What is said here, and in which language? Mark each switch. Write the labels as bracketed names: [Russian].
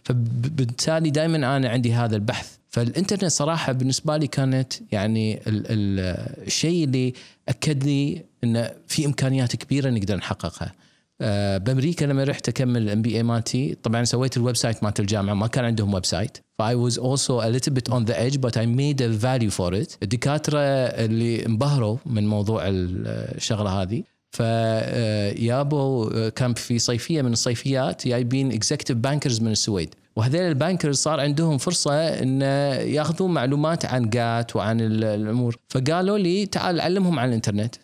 [Arabic] فبالتالي دائما أنا عندي هذا البحث. فالإنترنت صراحة بالنسبة لي كانت يعني الشيء اللي أكد لي إن في إمكانيات كبيرة نقدر نحققها. بأمريكا لما رحت أكمل MBA مالتي طبعاً سويت الويب سايت مالت الجامعة ما كان عندهم ويب سايت. [English] I was also a little bit on the edge but I made a value for it. [Arabic] الدكاترة اللي انبهروا من موضوع الشغلة هذه فيابو كان في صيفية من الصيفيات جايبين [English] executive bankers [Arabic] من السويد. وهذيل البانكرز صار عندهم فرصة إن يأخذون معلومات عن جات وعن الأمور فقالوا لي تعال علمهم عن الإنترنت.